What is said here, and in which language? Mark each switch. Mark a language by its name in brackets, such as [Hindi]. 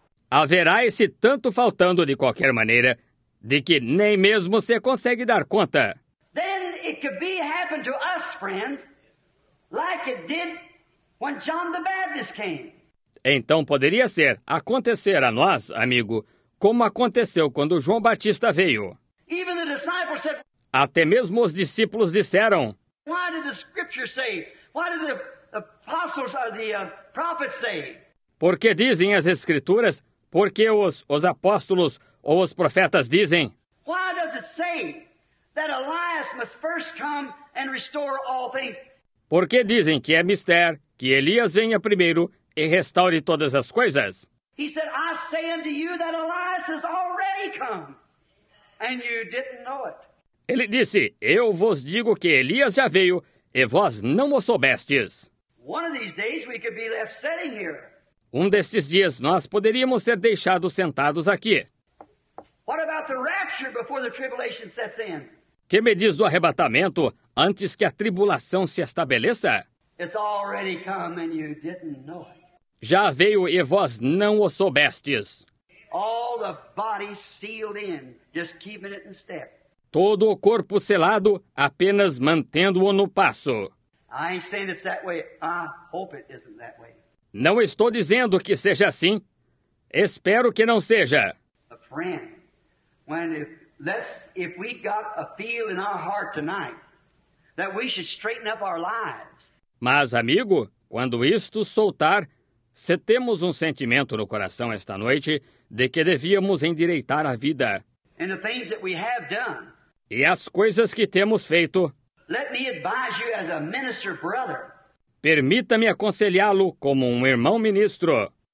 [Portuguese] Haverá esse tanto faltando de qualquer maneira, de que nem mesmo você consegue dar conta. [English] Then it could be happened to us, friends, like it did when John the Baptist came. [Portuguese] Então poderia ser acontecer a nós, amigo, como aconteceu quando João Batista veio. [English] Even the disciples said, [Portuguese] até mesmo os discípulos disseram. [English] Why did the scripture say? Why did the apostles or the prophets say? [Portuguese] Porque dizem as escrituras? Porque os apóstolos ou os profetas dizem? [English] Why does it say that Elias must first come and restore all things? [Portuguese] Porque dizem que é mister que Elias venha primeiro e restaure todas as coisas? [English] He said, I say unto you that Elias has already come, and you didn't know it. [Portuguese] Ele disse, eu vos digo que Elias já veio, e vós não o soubestes. [English] One of these days we could be left sitting here. [Portuguese] Um destes dias nós poderíamos ser deixados sentados aqui. [English] What about the rapture before the tribulation sets in? [Portuguese] Que me diz do arrebatamento antes que a tribulação se estabeleça? [English] It's already come and you didn't know it. [Portuguese] Já veio e vós não o soubestes. [English] All the body sealed in, just keeping it in step. [Portuguese] Todo o corpo selado, apenas mantendo-o no passo. [English] I ain't saying it's that way. I hope it isn't that way. [Portuguese] Não estou dizendo que seja assim. Espero que não seja. [English] A friend, when if we got a feel in our heart tonight that we should straighten up our lives. [Portuguese] Mas, amigo, quando isto soltar, se temos um sentimento no coração esta noite de que devíamos endireitar a vida. [English] And the things that we have done. [Portuguese] E as coisas que temos feito. [English] Let me advise you as a minister brother. [Portuguese] Permita-me aconselhá-lo como um irmão ministro.